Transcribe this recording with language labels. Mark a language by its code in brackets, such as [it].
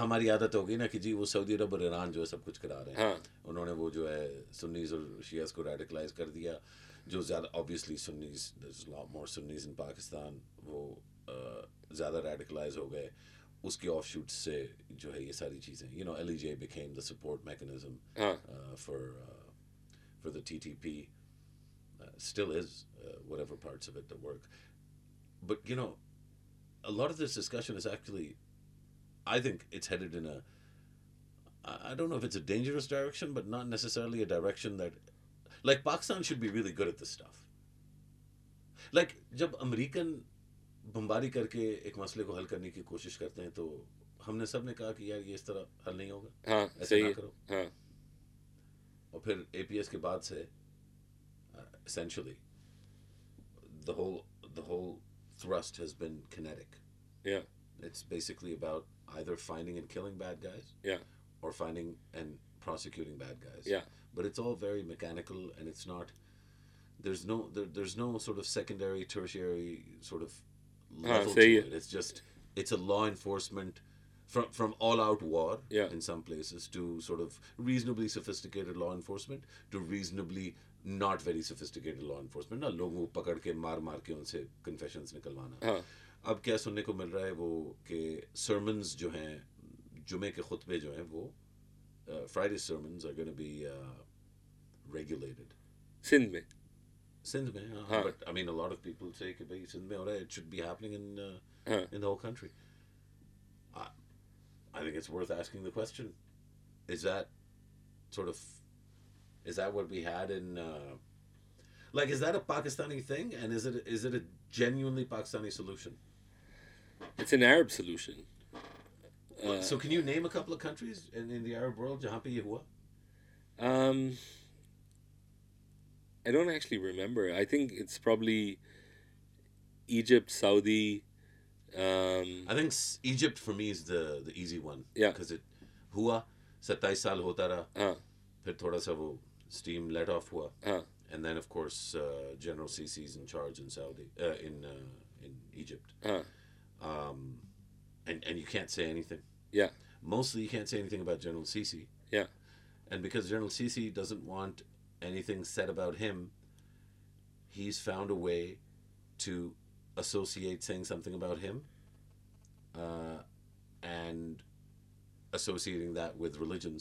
[ur] ہماری عادت ہوگی نا کہ جی وہ سعودی عرب اور ایران جو ہے سب کچھ کرا رہے ہیں۔ Haan. انہوں نے وہ جو ہے Sunnis اور Shias کو radicalize کر دیا۔ Jo zyada, [en] obviously Sunnis, there's a lot more Sunnis in Pakistan. [ur] وہ زیادہ radicalize ہو گئے اس کے offshoots سے جو ہے یہ ساری چیزیں، [en] you know, LEJ became the support mechanism for the TTP, still is, whatever parts of it that work. But, you know, a lot of this discussion is actually, I think it's headed in a, I don't know if it's a dangerous direction, but not necessarily a direction that, like, Pakistan should be really good at this stuff. [ur] Like, جب American بمباری کر کے ایک مسئلے کو حل کرنے کی کوشش کرتے ہیں تو ہم نے سب نے کہا کہ یار یہ اس طرح حل نہیں ہوگا، ha aise na karo, ha. Aur phir APS ke baad se [en] essentially the whole thrust has been kinetic. Yeah, it's basically about either finding and killing bad guys, yeah, or finding and prosecuting bad guys. Yeah, but it's all very mechanical, and it's not, there's no sort of secondary, tertiary sort of it's just, it's a law enforcement from all out war, yeah, in some places, to sort of reasonably sophisticated law enforcement to reasonably not very sophisticated law enforcement. [ur] نہ لوگوں کو پکڑ کے مار مار کے ان سے confessions نکلوانا۔ اب کیا سننے کو مل رہا ہے وہ کہ sermons جو ہیں جمعے کے خطبے جو ہیں وہ [en] Friday sermons are going to be regulated. [ur] Sindh mein, huh. [en] But I mean, a lot of people say [ur] کہ بھائی سندھ میں ہو رہا ہے، [en] it should be happening in the whole country. I think it's worth asking the question, is that what we had in like, is that a Pakistani thing, and is it a genuinely Pakistani solution? It's an Arab solution. So can you name a couple of countries in the Arab world [ur] jahan pe ye hua? [en] I don't actually remember. I think it's probably Egypt, Saudi. I think Egypt for me is the easy one. Yeah. Because it [ur] ہوا 27 سال ہوتا رہا۔ پھر تھوڑا سا وہ [en] steam let off [ur] ہوا۔ [en] And then of course General Sisi is in charge in Saudi in Egypt. And you can't say anything. Yeah. Mostly you can't say anything about General Sisi. Yeah. And because General Sisi doesn't want anything said about him, he's found a way to associate saying something about him and associating that with religion.